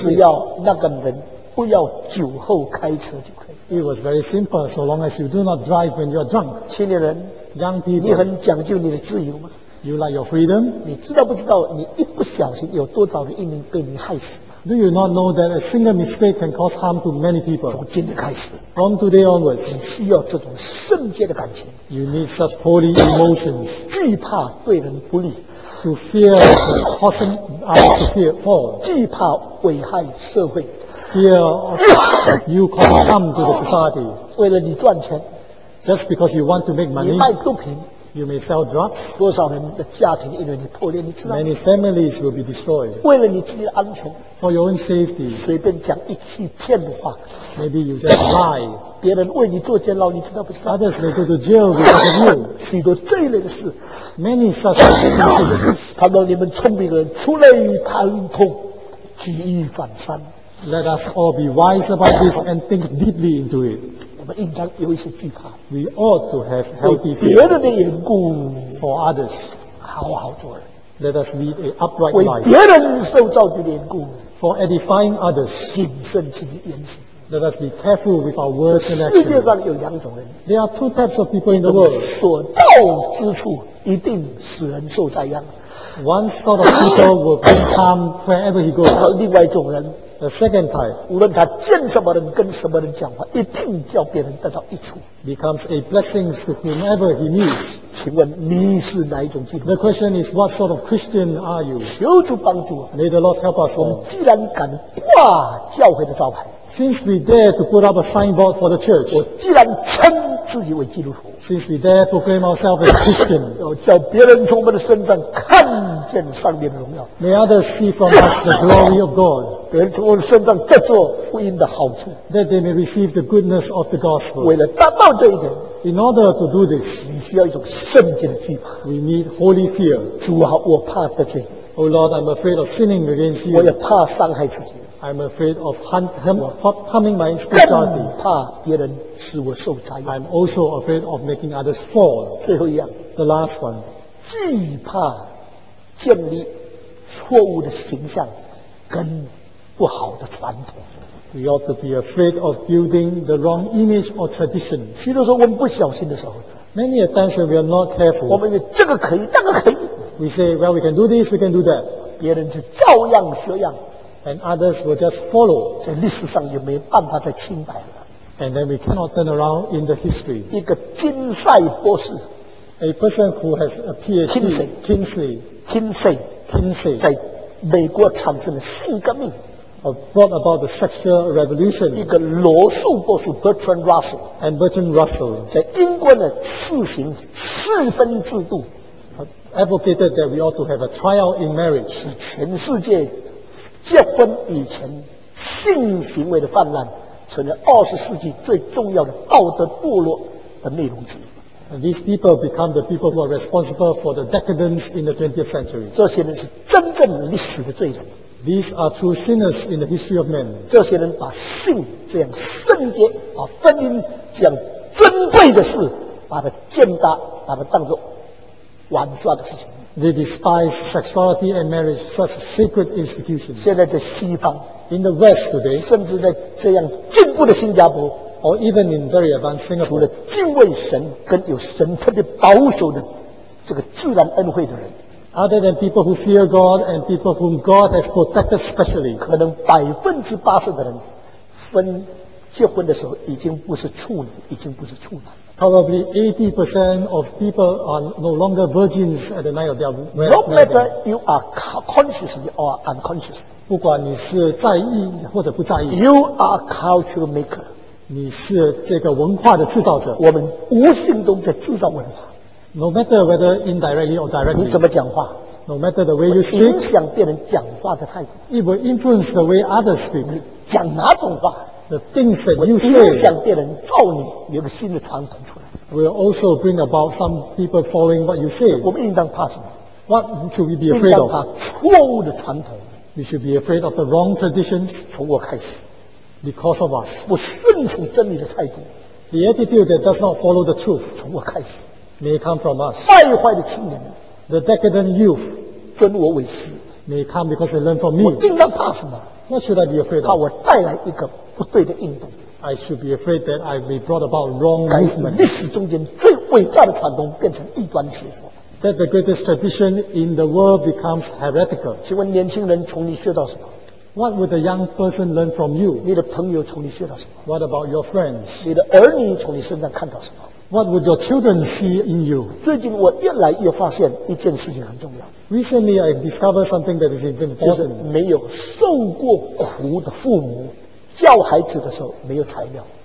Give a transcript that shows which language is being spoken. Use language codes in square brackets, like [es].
[zh] 只要那个人不要酒后开车就可以。 [en] It was very simple, so long as you do not drive when you are drunk. [zh] 青年人 [en] ，young people， [zh] 你很讲究你的自由吗 [en] ？You like your freedom? [zh] 你知道不知道，你一不小心有多少人一命被你害死 [en] ？Do you not know that a single mistake can cause harm to many people? [zh] 从今天开始 [en] ，from today onwards， [zh] 你需要这种圣洁的感情。 [en] You need such holy emotions. [zh] 惧怕对人不利 [en] ，to fear causing others to fear fall. [zh] 惧怕危害社会。 [en] Fear of you cause harm to the society. [zh] 为了你赚钱 [en] ，just because you want to make money. [zh] 你卖毒品 [en] ，you may sell drugs. [zh] 多少人的家庭因为你破裂，你知道 [en] ？Many families will be destroyed. [zh] 为了你自己的安全 [en] ，for your own safety. [zh] 随便讲一句骗话 [en] ，maybe you just lie. [zh] 别人为你坐监牢，你知道不知道 [en] ？Others may go to jail because of you. [zh] 许多这一类的事 [en] ，many such things. [zh] 看到你们聪明人出类拔萃，举一反三。 [en] Let us all be wise about this and think deeply into it. [zh] 我们应当有一些惧怕。 [en] We ought to have healthy fear. [zh] 为别人的缘故 [en] For others. [zh] 好好做人。 [en] Let us lead an upright life. [zh] 为别人受造的缘故。 [en] For edifying others. [zh] 谨慎其言行。 [en] Let us be careful with our words and actions. [zh] 世界上有两种人。 [en] There are two types of people in the world. [zh] 所到之处一定使人受灾殃。 [en] One sort of people will bring harm wherever he goes. [zh] 另外一种人。 [en] The second type, [zh] 无论他见什么人跟什么人讲话，一定叫别人得到益处。 [en] Becomes a blessing to whomever he meets. [zh] 请问你是哪一种基督徒？ [en] The question is, what sort of Christian are you? [zh] 求主帮助我。 [en] May the Lord help us. [zh] 我们既然敢挂教会的招牌， [en] Since we dare to put up a signboard for the church, [zh] 我既然称自己为基督徒， [en] Since we dare to proclaim ourselves as Christian, [zh] 要叫别人从我们的身上看见上帝的荣耀。 [en] May others see from us the glory of God. [zh] 别人从我身上得着福音的好处， [en] that they may receive the goodness of the gospel. [zh] 为了达到这一点， [en] in order to do this, [zh] 你需要一种圣洁的惧怕。 [en] We need holy fear. [zh] 主啊，我怕得罪。 [en] Oh Lord, I'm afraid of sinning against you. [zh] 我也怕伤害自己。 [en] I'm afraid of harming my spirituality. [zh] 更怕别人使我受灾。 [en] I'm also afraid of making others fall. [zh] 最后一样， [en] the last one, [zh] 惧怕建立错误的形象跟不好的传统。 [en] We ought to be afraid of building the wrong image or tradition. [zh] 许多时候我们不小心的时候， [en] Many a times when we are not careful, [zh] 我们以为这个可以那个可以， [en] We say, well, we can do this, we can do that. [zh] 别人就照样学样， [en] And others will just follow. [zh] 所以历史上也没办法再清白了。 [en] And then we cannot turn around in the history. [zh] 一个金赛博士， [en] A person who has a PhD, [zh] Kinsey 在美国产生了性革命， [en] brought about the sexual revolution. [zh] 一个罗素博士 Bertrand Russell, [en] and Bertrand Russell [zh] 在英国的试行四分制度， [en] advocated that we ought to have a trial in marriage. [zh] 使全世界结婚以前性行为的泛滥成为二十世纪最重要的道德堕落的内容之一。 [en] And these people become the people who are responsible for the decadence in the 20th century. [zh] 这些人是真正历史的罪人。 [en] These are true sinners in the history of men. [zh] 这些人把性这样圣洁，把婚姻这样尊贵的事，把它践踏，把它当作玩耍的事情。 [en] They despise sexuality and marriage, such sacred institutions. [zh] 现在在西方 [en] ，in the West today， [zh] 甚至在这样进步的新加坡 [en] ，or even in very advanced Singapore， [zh] 除了敬畏神跟有神特别保守的这个自然恩惠的人。 [en] Other than people who fear God and people whom God has protected specially, [zh] 可能80%的人分结婚的时候已经不是处女，已经不是处男。 [en] Probably 80% of people are no longer virgins at the night of their wedding. No matter you are consciously or unconscious, [zh] 不管你是在意或者不在意。 [en] You are culture maker. [zh] 你是这个文化的制造者。我们无形中在制造文化。 [en] No matter whether indirectly or directly, [zh] 你怎么讲话 [en] ？No matter the way you speak, [zh] 影响别人讲话的态度。 [en] It will influence the way others speak. [zh] 你讲哪种话 [en] ？The things that you say, [zh] 影响别人造你有个新的传统出来。 [en] Will also bring about some people following what you say. [zh] 我们应当怕什么 [en] ？What should we be afraid of? [zh] 应当怕错误的传统。 [en] We should be afraid of the wrong traditions. [zh] 从我开始 [en] ，because of us. [zh] 不顺从真理的态度 [en] ，the attitude that does not follow the truth. [zh] 从我开始。 [en] May come from us. [zh] 败坏的青年， [en] the decadent youth, [zh] 尊我为师， [en] may come because they learn from me. [zh] 我应当怕什么？ [en] What should I be afraid of? [zh] 怕我带来一个不对的运动。 [en] I should be afraid that I may brought about wrong movement. [zh] 历史中间最伟大的传统变成异端邪说。 [en] That the greatest tradition in the world becomes heretical. [zh] 请问年轻人从你学到什么？ [en] What would a young person learn from you? [zh] 你的朋友从你学到什么？ [en] What about your friends? [zh] 你的儿女从你身上看到什么？ [en] What would your children see in you? [zh] 最近我越来越发现一件事情很重要。 [en] Recently, I discovered something that is important. [zh] 就是没有受过苦的父母教孩子的时候没有材料。